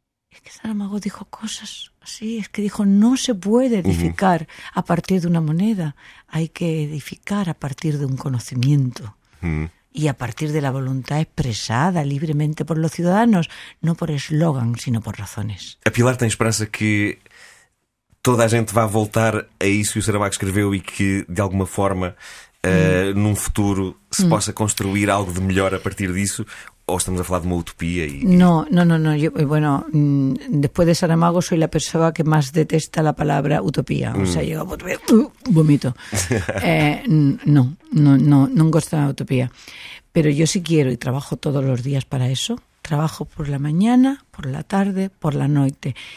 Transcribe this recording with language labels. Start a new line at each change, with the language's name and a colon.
Spanish: Es que Saramago dijo cosas así, es que dijo: no se puede edificar a partir de una moneda, hay que edificar a partir de un conocimiento y a partir de la voluntad expresada libremente por los ciudadanos, no por eslogan, sino por razones.
Portuguese: A Pilar tem esperança que toda a gente vá voltar a isso que o Saramago escreveu e que, de alguma forma, num futuro, se possa construir algo de melhor a partir disso?
Spanish: ¿O estamos a hablar de una utopía? No. Yo, bueno, después de Saramago soy la persona que más detesta la palabra utopía. O sea, llego a utopía, vomito. No gusta la utopía. Pero yo sí quiero y trabajo todos los días para eso. Trabajo por la mañana, por la tarde, por la noche.